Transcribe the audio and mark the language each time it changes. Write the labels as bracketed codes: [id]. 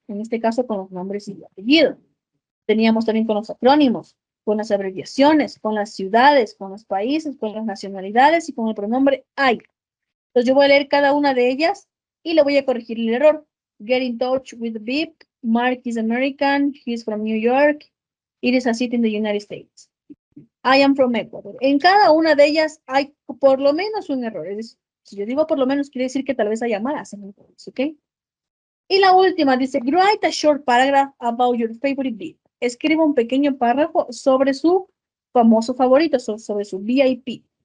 [es] En este caso, con los nombres y apellidos. Teníamos también con los acrónimos, con las abreviaciones, con las ciudades, con los países, con las nacionalidades y con el pronombre I. Entonces, yo voy a leer cada una de ellas y le voy a corregir el error. [en] Get in touch with Beep. Mark is American. He's from New York. It is a city in the United States. I am from Ecuador. [es] En cada una de ellas hay por lo menos un error. Si yo digo por lo menos, quiere decir que tal vez haya más en inglés, ¿ok? Y la última dice, [en] write a short paragraph about your favorite VIP. [es] Escribe un pequeño párrafo sobre su famoso favorito, sobre su VIP.